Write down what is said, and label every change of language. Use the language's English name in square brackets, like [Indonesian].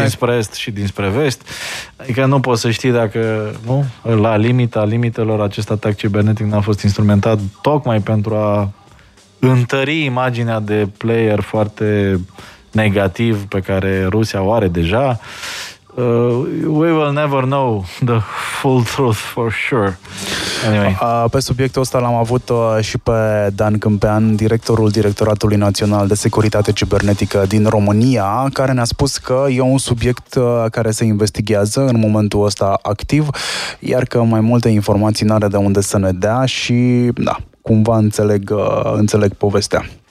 [Romanian] dinspre est și dinspre vest. Adică nu poți să știi dacă, nu, la limita limitelor, acest atac cibernetic n-a fost instrumentat tocmai pentru a întări imaginea de player foarte negativ pe care Rusia o are deja. [English] We will never know the full truth for sure. Anyway. [Romanian] Pe subiectul ăsta l-am avut și pe Dan Câmpean, directorul Directoratului Național de Securitate Cibernetică din România, care ne-a spus că e un subiect care se investighează în momentul ăsta activ, iar că mai multe informații n-are de unde să ne dea și da, cumva înțeleg povestea.